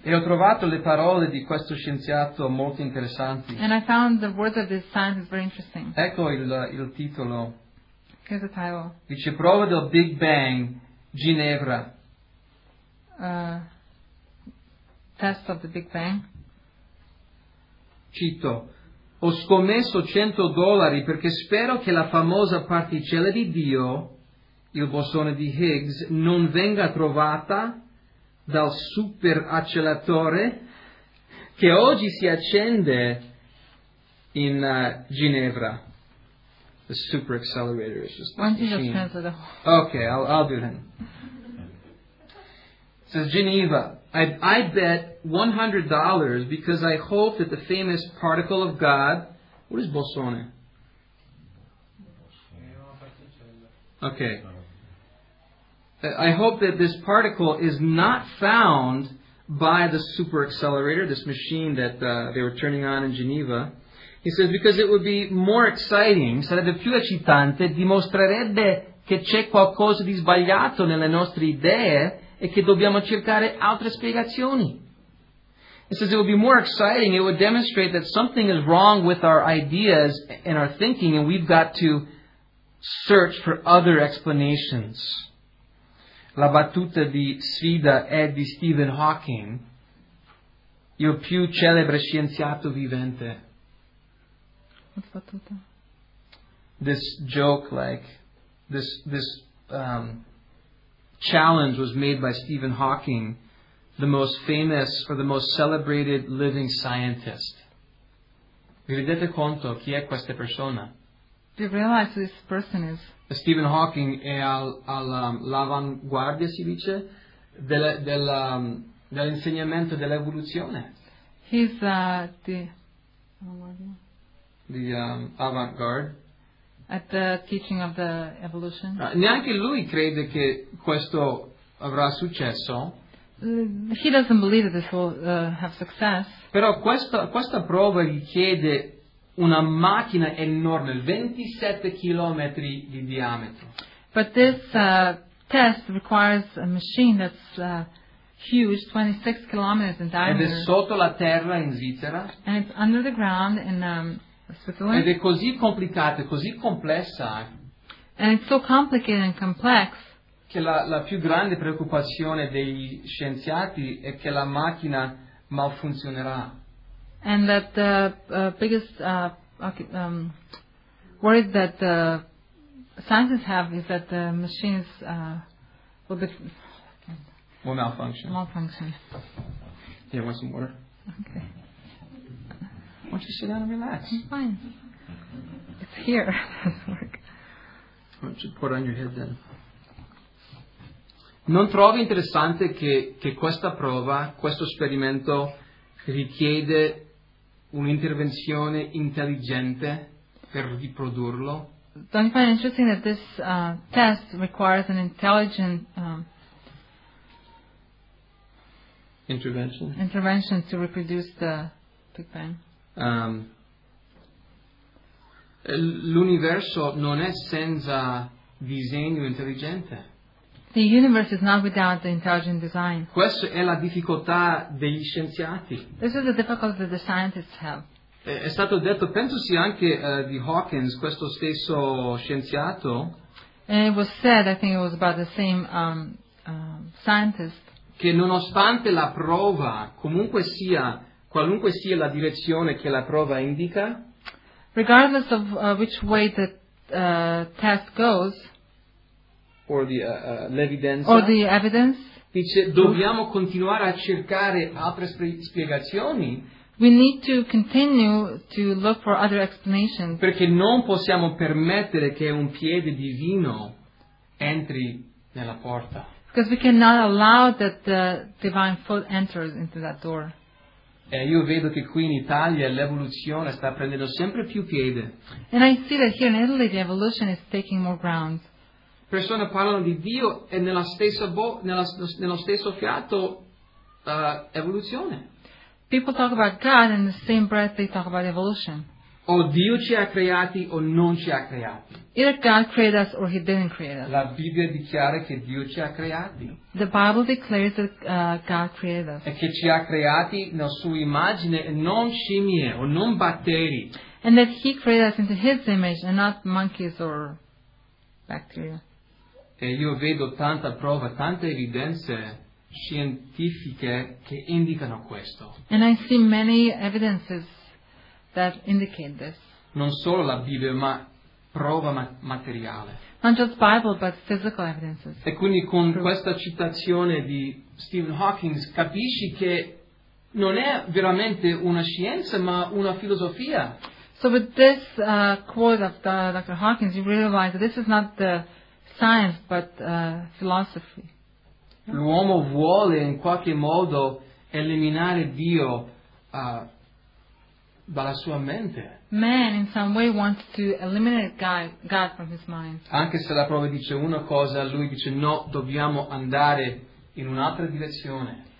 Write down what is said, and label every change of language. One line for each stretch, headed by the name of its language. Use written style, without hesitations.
Italian: E ho trovato le parole di questo scienziato molto interessanti.
English: And I found the words of this scientist very interesting.
Italian: Ecco il titolo.
English: Here's the title.
Italian: Dice prova del Big Bang, Ginevra.
English: Test of the Big Bang.
Italian: Cito: ho scommesso $100 perché spero che la famosa particella di Dio, il bosone di Higgs, non venga trovata dal super acceleratore che oggi si accende in Ginevra.
English: The super accelerator is just the machine. Okay, I'll do it. It says, Geneva, I bet $100 because I hope that the famous particle of God, what is bosone? Okay. I hope that this particle is not found by the super accelerator, this machine that they were turning on in Geneva. He says, because it would be more exciting,
Italian: sarebbe più eccitante, dimostrerebbe che c'è qualcosa di sbagliato nelle nostre idee e che dobbiamo cercare altre spiegazioni.
English: He says, it would be more exciting, it would demonstrate that something is wrong with our ideas and our thinking and we've got to search for other explanations.
Italian: La battuta di sfida è di Stephen Hawking, il più celebre scienziato vivente.
English: What's battuta? This joke, like, this challenge was made by Stephen Hawking, the most famous or the most celebrated living scientist.
Italian: Vi rendete conto chi è questa persona?
English: Do you realize who this person is?
Italian: Stephen Hawking è all'avanguardia, si dice, dell'insegnamento dell'evoluzione.
English: He's the avant-garde. At the teaching of the evolution.
Italian: Neanche lui crede che questo avrà successo.
English: He doesn't believe that this will have success.
Italian: Però questa prova richiede una macchina enorme, 27 chilometri di diametro.
English: But this test requires a machine that's huge, 26 kilometers in diameter.
Italian: Ed è sotto la terra in Svizzera.
English: And it's under the ground in Switzerland.
Italian: Ed è così complicata, così complessa.
English: And it's so complicated and complex.
Italian: Che la più grande preoccupazione degli scienziati è che la macchina malfunzionerà.
English: And that the biggest worry that the scientists have is that the machines will malfunction. Malfunction. Yeah, want some water? Okay. Why don't you sit down and relax? I'm fine. It's here. Why don't you put on your head then?
Italian: Non trovi interessante che questa prova, questo esperimento richiede un'intervenzione intelligente per riprodurlo?
English: Don't you find it interesting that this test requires an intelligent intervention to reproduce the Big Bang?
Italian: L'universo non è senza disegno intelligente.
English: The universe is not without the intelligent design.
Italian: Questa è la difficoltà degli scienziati.
English: This is the difficulty that the scientists have.
Italian: È stato detto, penso sia anche di Hawkins, questo stesso scienziato.
English: And it was said, I think it was about the same scientist.
Italian: Che nonostante la prova, comunque sia, qualunque sia la direzione che la prova indica.
English: Regardless of which way the test goes. Or the l'evidenza. Or the evidence.
Italian: Dice, dobbiamo continuare a cercare altre spiegazioni.
English: We need to continue to look for other explanations.
Italian: Perché non possiamo permettere che un piede divino entri nella porta.
English: Because we cannot allow that the divine foot enters into that door.
Italian: Io vedo che qui in Italia l'evoluzione sta prendendo sempre più piede.
English: And I see that here in Italy the evolution is taking more ground.
Italian: Persone parlano di Dio e nello stesso fiato evoluzione.
English: People talk about God and in the same breath they talk about evolution.
Italian: O Dio ci ha creati o non ci ha creati.
English: Either God created us or He didn't create us.
Italian: La Bibbia dichiara che Dio ci ha creati.
English: The Bible declares that God created us.
Italian: E che ci ha creati nella sua immagine e non scimmie o non batteri.
English: And that He created us into His image and not monkeys or bacteria.
Italian: E io vedo tanta prova, tante evidenze scientifiche che indicano questo.
English: And I see many evidences that indicate this.
Italian: Non solo la Bibbia, ma prova materiale.
English: Not just Bible, but physical evidences.
Italian: E quindi con questa citazione di Stephen Hawking capisci che non è veramente una scienza, ma una filosofia.
English: So with this quote of Dr. Hawking, you realize that this is not the science, but philosophy.
Italian: L'uomo vuole in qualche modo eliminare Dio dalla sua mente.
English: Man in some way wants to eliminate God from his mind.
Italian: Anche se la prova dice una cosa, lui dice no, dobbiamo andare in un'altra direzione.